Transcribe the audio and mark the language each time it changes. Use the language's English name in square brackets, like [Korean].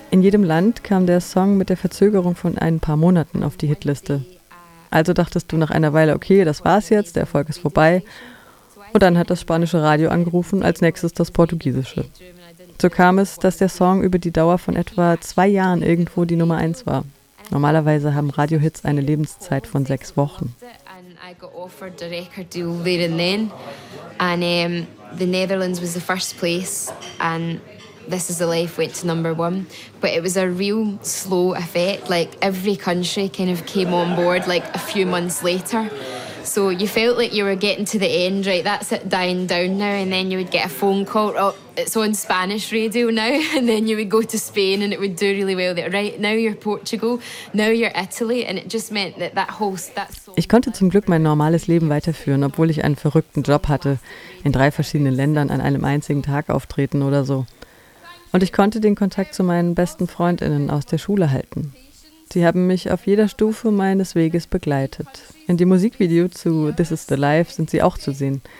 [German] In jedem Land kam der Song mit der Verzögerung von ein paar Monaten auf die Hitliste. Also dachtest du nach einer Weile, okay, das war's jetzt, der Erfolg ist vorbei. Und dann hat das spanische Radio angerufen, als nächstes das portugiesische. So kam es, dass der Song über die Dauer von etwa 2 Jahren irgendwo die Nummer 1 war. Normalerweise haben Radiohits eine Lebenszeit von 6 Wochen. [English] I got offered a record deal there and then. And the Netherlands was the first place. And This is the Life went to number 1. But it was a real slow effect. Like every country kind of came on board like a few months later. So you felt like you were getting to the end, right? That's it dying down now. And then you would get a phone call. Oh, it's on Spanish radio now. And then you would go to Spain and it would do really well there. Right, now you're Portugal. Now you're Italy. And it just meant that that whole... That song. [German] Ich konnte zum Glück mein normales Leben weiterführen, obwohl ich einen verrückten Job hatte. In 3 verschiedenen Ländern an einem einzigen Tag auftreten oder so. Und ich konnte den Kontakt zu meinen besten FreundInnen aus der Schule halten. Sie haben mich auf jeder Stufe meines Weges begleitet. In dem Musikvideo zu This is the Life sind sie auch zu sehen.